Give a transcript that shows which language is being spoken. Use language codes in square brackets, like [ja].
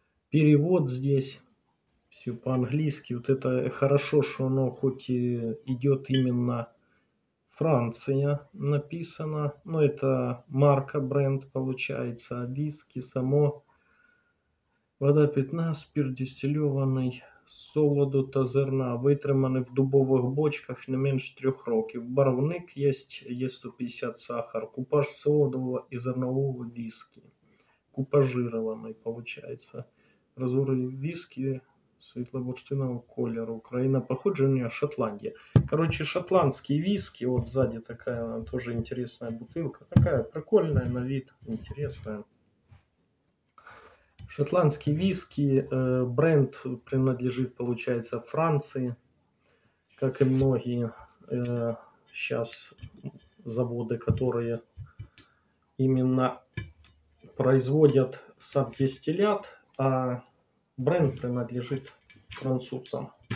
[ru] Перевод здесь все по-английски. Вот это хорошо, что оно хоть и идет именно Франция написано, но это марка, бренд получается, а виски само вода 15, спирт дистиллированный. [uk] Солоду та зерна витримані в дубових бочках не менш 3 років. Барвник є 150 сахар. Купаж солодового і зернового віскі. Купажирований, виходить. Розгорний віскі світло-бурштинового кольору. Країна походження – Шотландія. Коротше, шотландський віскі. От ззаді така теж інтересна бутилка. Така прикольна на вид, інтересна. [ru] Шотландский виски, бренд принадлежит, получается, Франции, как и многие сейчас заводы, которые именно производят сам дистиллят, а бренд принадлежит французам.